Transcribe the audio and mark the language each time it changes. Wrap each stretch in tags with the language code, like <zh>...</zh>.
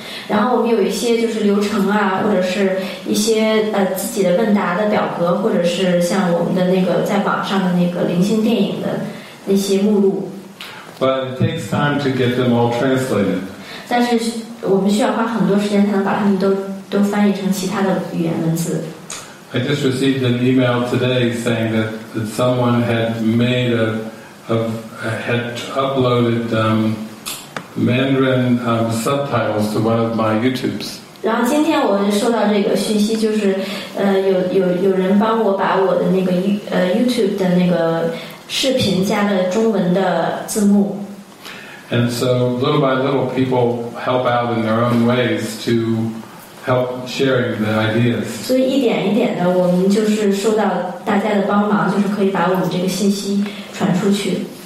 <zh>然后我们有一些就是流程啊，或者是一些自己的问答的表格，或者是像我们的那个在网上的那个灵性电影的那些目录。</zh> <en>But it takes time to get them all translated.</en> <zh>但是我们需要花很多时间才能把它们都翻译成其他的语言文字。</zh> <en>I just received an email today saying that someone had uploaded Mandarin subtitles to one of my YouTubes.</en> <zh>然后今天我收到这个讯息，就是有人帮我把我的那个YouTube 的那个视频加了中文的字幕。</zh> <en>And so little by little, people help out in their own ways to help sharing the ideas.</en> <zh>所以一点一点的，我们就是受到大家的帮忙，就是可以把我们这个信息传出去。</zh>